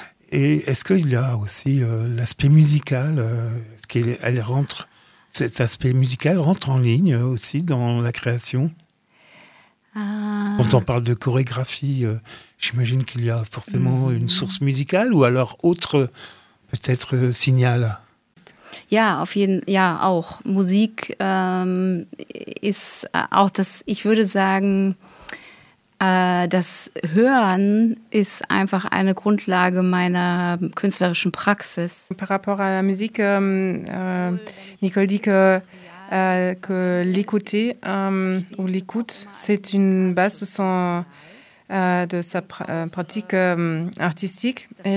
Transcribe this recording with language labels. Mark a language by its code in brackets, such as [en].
[fr] Et est-ce qu'il y a aussi l'aspect musical est-ce qu'elle rentre, cet aspect musical rentre en ligne aussi dans la création Quand on parle de chorégraphie, j'imagine qu'il y a forcément une source musicale ou alors autre, peut-être, signal [de] Ja, auf jeden Fall, ja, auch. Musik ist auch das, ich würde sagen... Das Hören ist einfach eine Grundlage meiner künstlerischen Praxis. [fr] Par rapport à la musique, Nicole dit que l'écouter ou l'écoute, c'est une base de sa pratique artistique.